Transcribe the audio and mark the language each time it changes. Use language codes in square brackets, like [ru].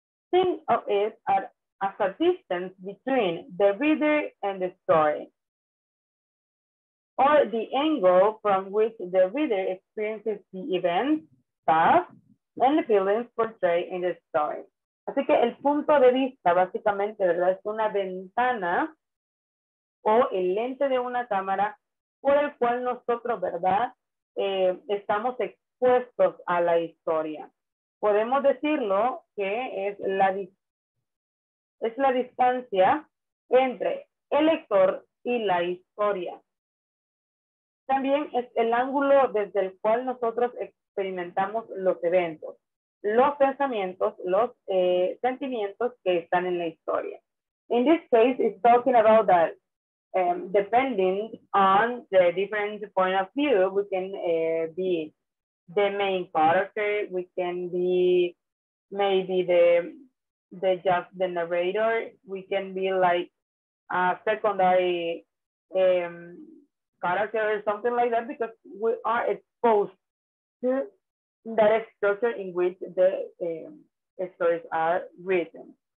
[en] Think of it as a distance between the reader and the story, or the angle from which the reader experiences the events, thoughts, and the feelings portrayed in the story. [es] Así que el punto de vista, básicamente, ¿verdad? Es una ventana o el lente de una cámara por el cual nosotros, ¿verdad? Estamos expuestos a la historia. Podemos decirlo que es la distancia entre el lector y la historia. También es el ángulo desde el cual nosotros experimentamos los eventos, los pensamientos, los sentimientos que están en la historia. [en] In this case, it's talking about that depending on the different point of view, we can be the main character, we can be maybe the just the narrator, we can be like a secondary character or something like that, because we are exposed to that structure in which the stories are written.